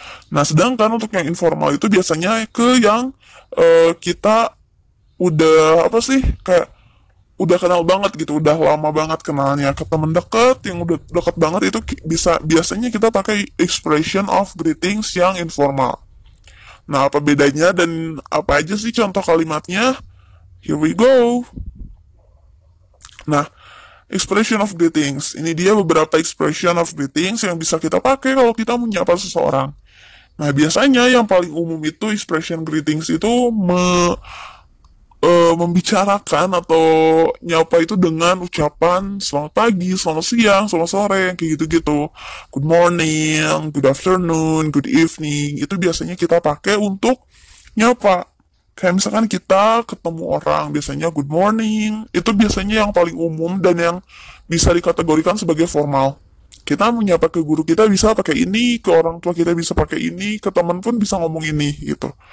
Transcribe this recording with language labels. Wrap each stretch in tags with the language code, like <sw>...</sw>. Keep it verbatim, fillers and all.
<id>Nah, sedangkan untuk yang informal itu biasanya ke yang eh, kita udah apa sih kayak udah kenal banget gitu, udah lama banget kenalnya ke temen deket yang udah deket banget itu ki- bisa biasanya kita pakai expression of greetings yang informal. Nah, apa bedanya dan apa aja sih contoh kalimatnya?</id> <en>Here we go.</en> <id>Nah, expression of greetings. Ini dia beberapa expression of greetings yang bisa kita pakai kalau kita menyapa seseorang. Nah, biasanya yang paling umum itu expression greetings itu me- eh, membicarakan atau nyapa itu dengan ucapan selamat pagi, selamat siang, selamat sore, kayak gitu-gitu.</id> <en>Good morning, good afternoon, good evening.</en> <id>Itu biasanya kita pakai untuk nyapa. Kayak misalkan kita ketemu orang, biasanya</id> <en>good morning.</en> <id>Itu biasanya yang paling umum dan yang bisa dikategorikan sebagai formal. Kita menyapa ke guru kita bisa pakai ini, ke orang tua kita bisa pakai ini, ke teman pun bisa ngomong ini, gitu.</id>